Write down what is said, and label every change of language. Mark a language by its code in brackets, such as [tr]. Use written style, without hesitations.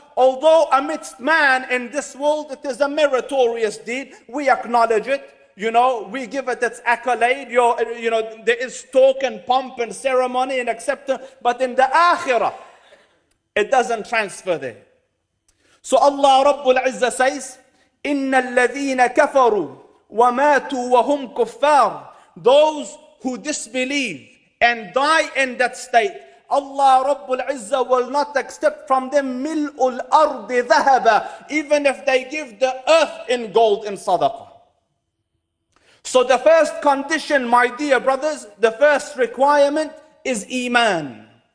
[en] Although amidst man in this world, it is a meritorious deed. We acknowledge it. You know, we give it its accolade. You know, there is talk and pomp and ceremony and acceptance. But in the akhirah, it doesn't transfer there. [ar] So Allah Rabbul Izzah says, إِنَّ الَّذِينَ كَفَرُوا وَمَاتُوا وَهُمْ كُفَّارُ. [en] Those who disbelieve and die in that state, Allah Rabbul Izzah will not accept from them [ar] مِلْءُ الْأَرْضِ ذَهَبًا, [en] even if they give the earth in gold in sadaqah. So the first condition, my dear brothers, the first requirement is iman.